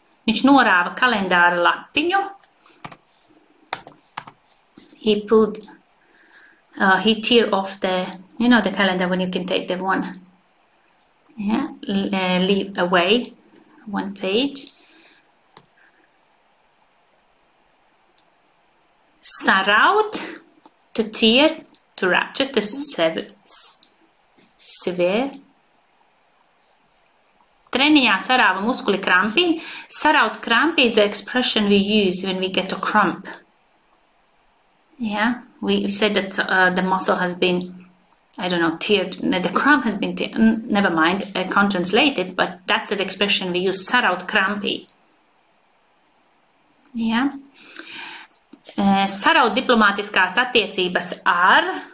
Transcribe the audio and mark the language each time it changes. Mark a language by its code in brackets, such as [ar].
[lv] Viņš norāva kalendāra lapiņu. [en] He pulled, he tear off the, you know, the calendar when you can take the one. Yeah, leave away one page. Saraut, to tear, to rupture, to sever. [lv] Trenijā sarāva muskuli krampī. Saraut krampī [en] is the expression we use when we get a cramp. Yeah, we said that the muscle has been, I don't know, teared. The cramp has been teared. Never mind, I can't translate it, but that's the expression we use, [lv] saraut krampī. [en] Yeah. [lv] Saraut diplomātiskās attiecības ar...